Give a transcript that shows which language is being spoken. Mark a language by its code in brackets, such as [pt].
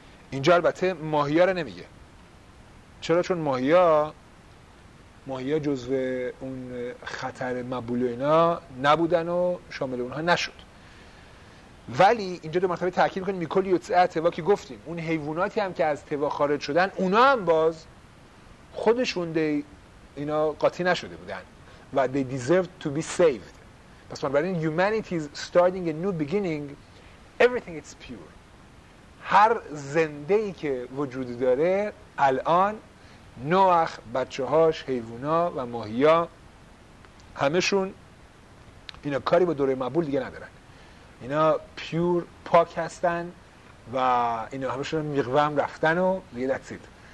[fa] اینجا البته ماهیا رو نمیگه. چرا؟ چون ماهیا جزء اون خطر مبول و اینا نبودن و شامل اونها نشد. ولی اینجا دو مرتبه تاکید میکنیم میکل یوتسه توا که گفتیم، اون حیواناتی هم که از توا خارج شدن اونا هم باز خودشون اینا قاطی نشده بودن و [en] they deserve to be saved. [fa] پس بنابراین [en] humanity is starting a new beginning, everything is pure. [fa] هر زندهی که وجود داره الان، نوح، بچه هاش، حیوانا و ماهیا، همشون اینا کاری با دوره مبول دیگه ندارن، اینا پیور پاک هستن و اینا همشون مقوام رفتن و دیگه [en] that's it.